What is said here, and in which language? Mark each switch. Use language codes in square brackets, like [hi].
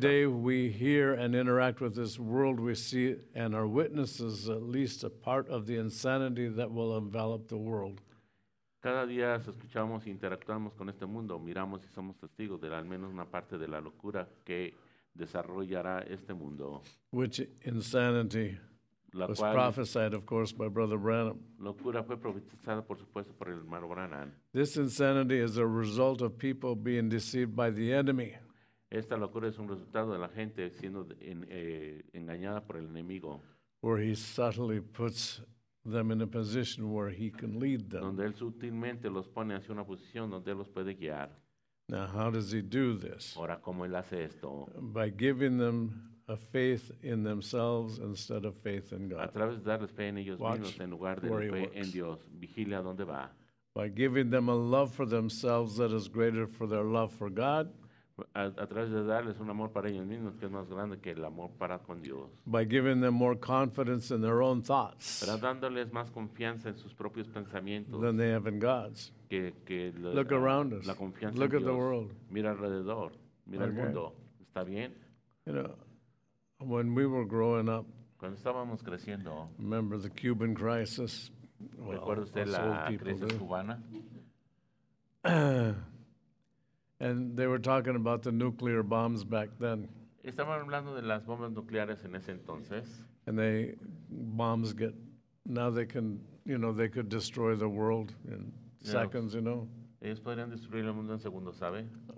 [en] Day we hear and interact with this world, we see and are witnesses at least a part of the insanity that will envelop the world. [es] Cada día escuchamos e interactuamos con este mundo, miramos y somos testigos de al menos una parte de la locura que desarrollará este mundo. [en] Which insanity [es] la [en] was prophesied, of course, by Brother Branham. [es] Locura fue profetizada, por supuesto, por el hermano Branham. [en] This insanity is a result of people being deceived by the enemy. [es] Esta locura es un resultado de la gente siendo engañada por el enemigo. [en] Where he subtly puts them in a position where he can lead them. [es] Donde él sutilmente los pone hacia una posición donde él los puede guiar. [en] Now, how does he do this? [es] Ahora, ¿cómo él hace esto? [en] By giving them a faith in themselves instead of faith in God. [es] A través de darles fe en ellos mismos en lugar de fe en Dios. Vigila dónde va. [en] By giving them a love for themselves that is greater for their love for God. [es] A través de darles un amor para ellos mismos que es más grande que el amor para con Dios. [en] By giving them more confidence in their own thoughts. [es] Para dándoles más confianza en sus propios pensamientos. [en] Than they have in God's. Look around us. [es] La confianza [en] look [es] en [en] at The world. [es] Mira alrededor. Mira [en] okay. [es] el mundo. ¿Está bien? [en] You know, when we were growing up. [es] Cuando estábamos creciendo. [en] Remember the Cuban crisis. [es] ¿Recuerda usted la crisis cubana? [en] And they were talking about the nuclear bombs back then. [es] Estaban hablando de las bombas nucleares en ese entonces. [en] And they bombs get now they can you know they could destroy the world in seconds, you know. [es] Ellos podrían destruir el mundo en segundos, ¿sabe?